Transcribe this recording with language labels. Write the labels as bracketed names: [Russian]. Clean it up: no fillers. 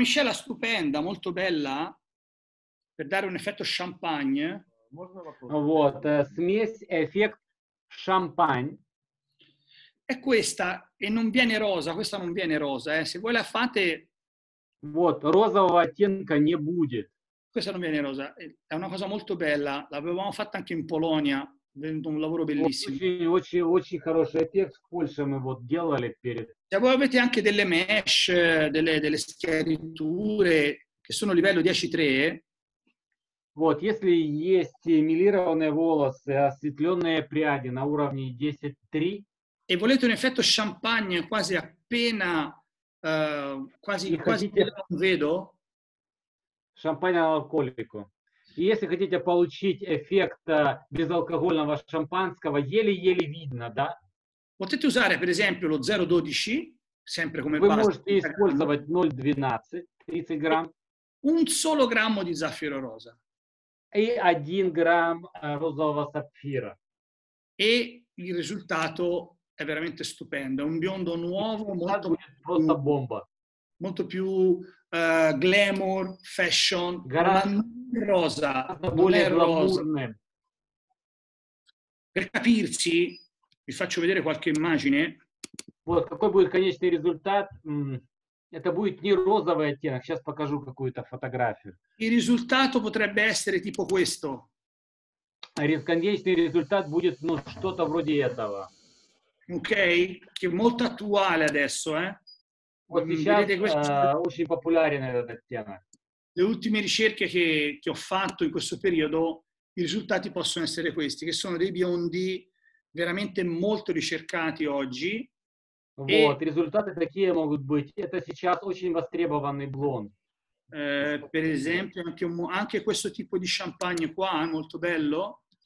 [Italian] Una miscela stupenda, molto bella, per dare un effetto champagne. [Russian] Вот, смесь, эффект champagne. [Italian] È questa, e non viene rosa, questa non viene rosa, eh. Se voi la fate... [Russian] Вот, розового оттенка не будет. [Italian] Questa non viene rosa, è una cosa molto bella, l'avevamo fatta anche in Polonia, è venuto un lavoro bellissimo. [Russian] Очень хороший эффект в Польше мы вот делали перед. [Italian] Se voi avete anche delle mesh, delle schiariture che sono livello 10-3. [Russian] Вот, если есть эмилированные волосы, осветленные пряди на уровне 10-3. [Italian] E volete un effetto champagne quasi appena, quasi non vedo. [Russian] Шампанья алкоголику. И если хотите получить эффект безалкогольного шампанского, еле-еле видно, да? [Italian] Potete usare, per esempio, lo 012, sempre come base. [Russian] Вы можете использовать 0,12, 30 грамм. [Italian] Un solo grammo di zaffiro rosa. [Russian] И 1 грамм розового сапфира. [Italian] E il risultato è veramente stupendo. Un biondo nuovo, molto molto bomba. Molto più glamour, fashion, rosa, non è rosa. Per capirci, vi faccio vedere qualche immagine. [Russian] Вот, какой будет конечный результат? Это будет не розовый оттенок. Сейчас покажу какую-то фотографию. [Italian] Il risultato potrebbe essere tipo questo. [Russian] Конечный результат будет, ну, что-то вроде этого. [Italian] Ok, che è molto attuale adesso, eh? [Russian] Очень популярен этот оттенок. [Italian] Le ultime ricerche che ho fatto in questo periodo, i risultati possono essere questi, che sono dei biondi veramente molto ricercati oggi. [Russian] Вот, результаты такие могут быть. Это сейчас очень востребованный блонд. [Italian] Per esempio, anche questo tipo di champagne qua è molto bello.